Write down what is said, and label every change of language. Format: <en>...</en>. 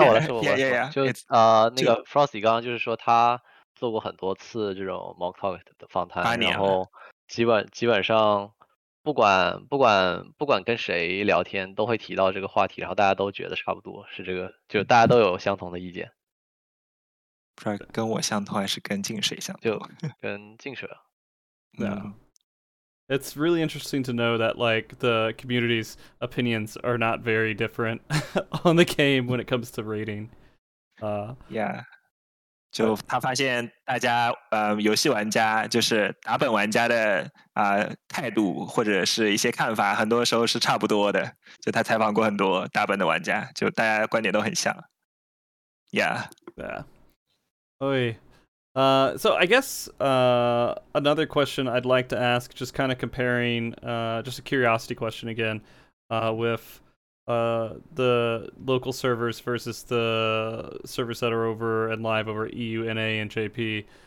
<zh>Frosty 刚刚就是说他做过很多次这种 mock talk 的访谈，然后基本上不管跟谁聊天都会提到这个话题，然后大家都觉得差不多是这个，就大家都有相同的意见。不知道跟我相同还是跟静水相同？就跟静水。对啊。</zh> <en>It's really interesting to know that, like, the community's opinions are not very different on the game when it comes to rating. Yeah.</en> <zh>就他发现大家，游戏玩家，就是打本玩家的，态度或者是一些看法，很多时候是差不多的。就他采访过很多打本的玩家，就大家观点都很像。</zh> <en>Yeah. Yeah. Oi. So I guess another question I'd like to ask, just kind of comparing, just a curiosity question again, with the local servers versus the servers that are over and live over EU, NA, and JP.</en>